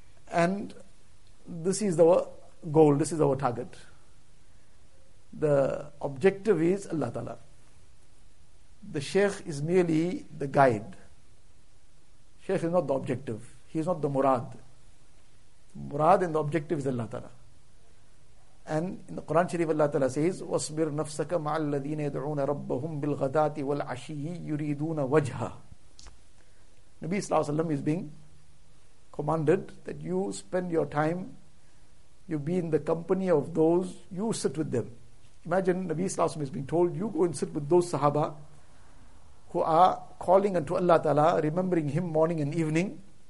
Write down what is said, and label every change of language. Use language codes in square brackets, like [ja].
[en] And this is our goal, this is our target. The objective is Allah Ta'ala. The Sheikh is merely the guide. Sheikh is not the objective. He is not the murad. Murad and the objective is Allah Ta'ala. And in the Quran Sharif, Allah Ta'ala says, [ar] وَاصْبِرْ نَفْسَكَ مَعَ الَّذِينَ يَدْعُونَ رَبَّهُمْ بِالْغَدَاتِ وَالْعَشِيِّ يُرِيدُونَ وَجْهَا. [en] Nabi Sallallahu Alaihi Wasallam is being commanded that you spend your time, you be in the company of those, you sit with them. Imagine Nabi Sallallahu Alaihi Wasallam is being told, you go and sit with those sahaba who are calling unto Allah Ta'ala, remembering him morning and evening.